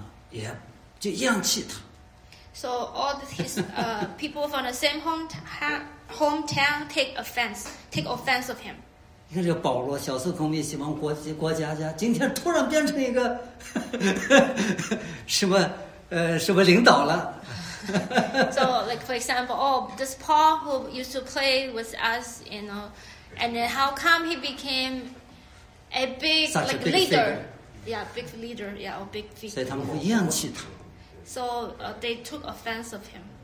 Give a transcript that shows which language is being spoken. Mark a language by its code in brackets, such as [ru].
[zh] 你看这个地方呢，他的这些老乡啊，也就厌弃他。 [en] So all his people from the same hometown take offense of him. [zh] 你看这个保罗，小时候跟我们一起玩国家家，今天突然变成一个什么领导了。 [en] So like for example, this Paul who used to play with us, you know, and then how come he became a big leader? Yeah, big leader. Yeah, or big figure. [zh] 所以他们会厌弃他。 [en] So they took offense of him.